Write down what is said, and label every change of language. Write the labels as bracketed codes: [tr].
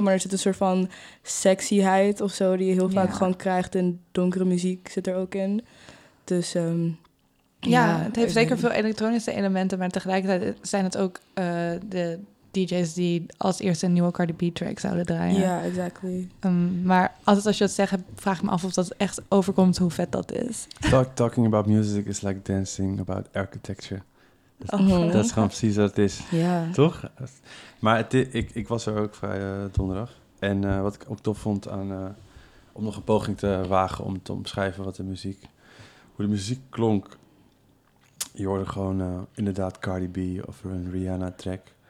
[nl] Maar er zit een soort van sexyheid of zo, die je heel vaak gewoon krijgt in donkere muziek, zit er ook in. Dus ja, het heeft zeker veel elektronische elementen, maar tegelijkertijd zijn het ook de DJ's die als eerste een nieuwe Cardi B-track zouden draaien. [en] Ja, yeah, exactly. [nl] Maar altijd als je dat zegt, vraag ik me af of dat echt overkomt hoe vet dat is. [en] Talking about music is like dancing about architecture. [nl] Dat is gewoon precies wat het is. [en] Yeah. [nl] Toch? Maar ik was er ook vrij donderdag. En wat ik ook tof vond aan om nog een poging te wagen om te omschrijven wat de muziek, hoe de muziek klonk. Je hoorde gewoon inderdaad Cardi B of een Rihanna track.